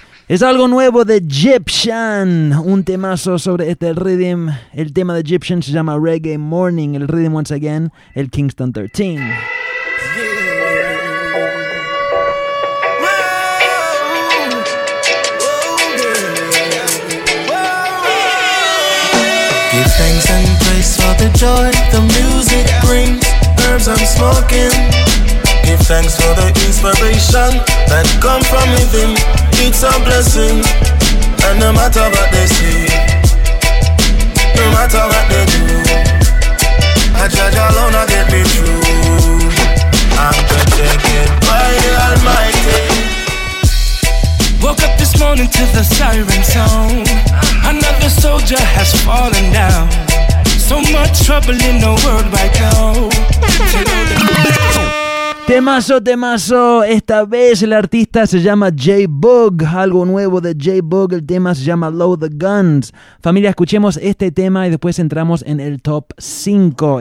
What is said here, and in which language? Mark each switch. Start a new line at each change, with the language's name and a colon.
Spanish: Es algo nuevo de Egyptian, un temazo sobre este rhythm. El tema de Egyptian se llama Reggae Morning. El rhythm,
English: once again,
Spanish: el Kingston 13.
English: Give thanks and praise for the joy the music brings. Herbs I'm smoking. Give thanks for the inspiration that come from within. It's a blessing, and no matter what they see, no matter what they do, I judge alone, I get me through. I'm judging it by the Almighty. Woke up this morning to the siren sound. Another soldier has fallen down. So much trouble in the world right now.
Spanish: Temazo, temazo. Esta vez el artista se llama J-Bug. Algo nuevo de J-Bug. El tema se llama Load the Guns. Familia, escuchemos este tema y después entramos en el top 5.